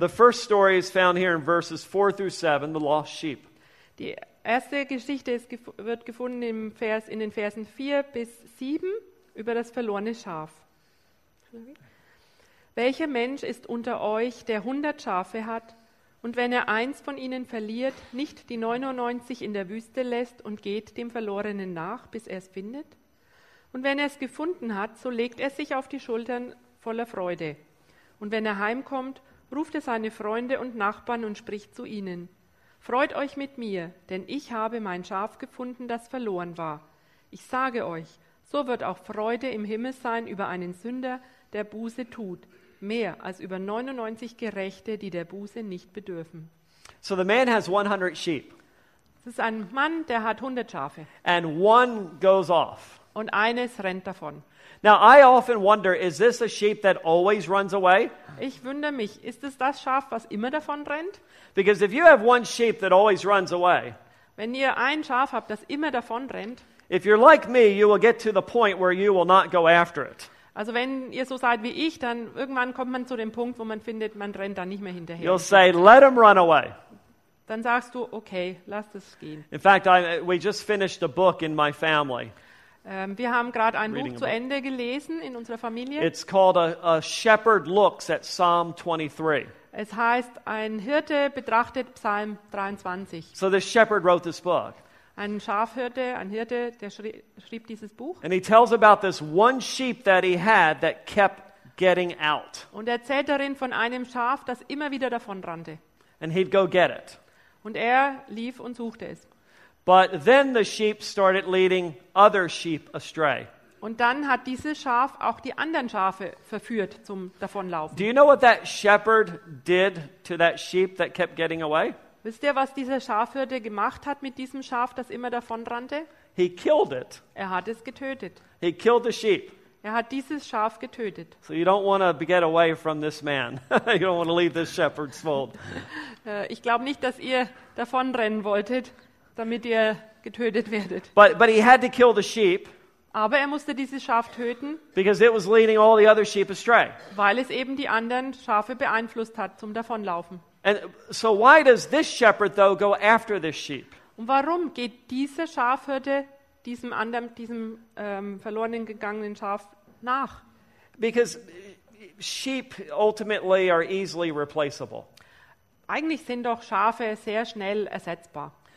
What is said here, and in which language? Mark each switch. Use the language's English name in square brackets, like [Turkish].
[English] The first story is found here in verses 4 through 7, the lost sheep. [German] Die erste Geschichte wird gefunden in den Versen 4 bis 7 über das verlorene Schaf. Welcher Mensch ist unter euch, der 100 Schafe hat Und wenn er eins von ihnen verliert, nicht die 99 in der Wüste lässt und geht dem Verlorenen nach, bis er es findet? Und wenn er es gefunden hat, so legt er sich auf die Schultern voller Freude. Und wenn er heimkommt, ruft er seine Freunde und Nachbarn und spricht zu ihnen: Freut euch mit mir, denn ich habe mein Schaf gefunden, das verloren war. Ich sage euch, so wird auch Freude im Himmel sein über einen Sünder, der Buße tut, mehr als über 99 Gerechte, die der Buße nicht bedürfen. [English] So the man has 100 sheep. [German] Das ist ein Mann, der hat 100 Schafe. [English] And one goes off. [German] Und eines rennt davon. [English] Now I often wonder, is this a sheep that always runs away? [German] Ich wundere mich, ist es das Schaf, was immer davon rennt? [English] Because if you have one sheep that always runs away. [German] Wenn ihr ein Schaf habt, das immer davon rennt. [English] If you're like me, you will get to the point where you will not go after it. [German] Also wenn ihr so seid wie ich, dann irgendwann kommt man zu dem Punkt, wo man findet, man rennt dann nicht mehr hinterher. [English] You'll say, let him run away. [German] Dann sagst du, okay, lass es gehen. [English] In fact, we just finished a book in my family. [German] Wir haben gerade ein Buch zu Ende gelesen in unserer Familie. [English] It's called a Shepherd Looks at Psalm 23. [German] Es heißt, ein Hirte betrachtet Psalm 23. [English] So the shepherd wrote this book. [German] Ein Schafhirte, ein Hirte, der schrieb dieses Buch. [English] And he tells about this one sheep that he had that kept getting out. [German] Und erzählt darin von einem Schaf, das immer wieder davon rannte. [English] And he'd go get it. [German] Und er lief und suchte es. [English] But then the sheep started leading other sheep astray. [German] Und dann hat dieses Schaf auch die anderen Schafe verführt zum Davonlaufen. [English] Do you know what that shepherd did to that sheep that kept getting away? [German] Wisst ihr, was dieser Schafhirte gemacht hat mit diesem Schaf, das immer davonrannte? [English] He killed it. [German] Er hat es getötet. [English] He killed the sheep. [German] Er hat dieses Schaf getötet. [English] So you don't want to get away from this man. You don't want to leave this shepherd's fold. [German] Ich glaube nicht, dass ihr davonrennen wolltet, damit ihr getötet werdet. [English] But he had to kill the sheep. [German] Aber er musste dieses Schaf töten. [English] Because it was leading all the other sheep astray. [German] Weil es eben die anderen Schafe beeinflusst hat zum Davonlaufen. [English] And so why does this shepherd though go after this sheep? [German] Und warum geht dieser Schafhirte diesem anderen, diesem verlorenen gegangenen Schaf nach? [English] Because sheep ultimately are easily replaceable. [German] Eigentlich sind doch Schafe sehr schnell ersetzbar.